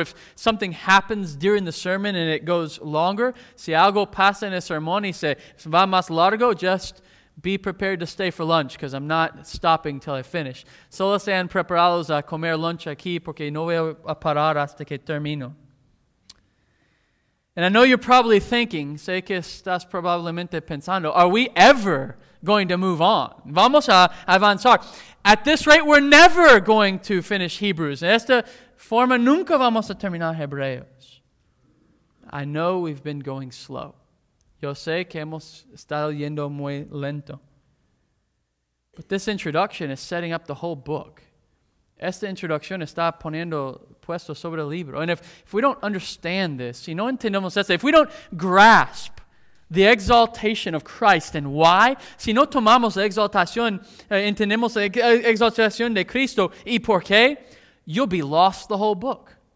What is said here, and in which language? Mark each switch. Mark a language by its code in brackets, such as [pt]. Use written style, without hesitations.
[en] If something happens during the sermon and it goes longer, [es] si algo pasa en el sermón y se va más largo, [en] just be prepared to stay for lunch because I'm not stopping till I finish. [es] Solo sean preparados a comer lunch aquí porque no voy a parar hasta que termino. [en] And I know you're probably thinking, [es] sé que estás probablemente pensando, [en] are we ever going to move on? [es] Vamos a avanzar. [en] At this rate, we're never going to finish Hebrews. [es] En esta forma, nunca vamos a terminar Hebreos. [en] I know we've been going slow. [es] Yo sé que hemos estado yendo muy lento. [en] But this introduction is setting up the whole book. [es] Esta introducción está poniendo puesto sobre el libro. [en] And if we don't understand this, [es] si no entendemos esto, [en] if we don't grasp the exaltation of Christ and why, [es] si no tomamos la exaltación, entendemos la exaltación de Cristo y por qué, [en] you'll be lost the whole book.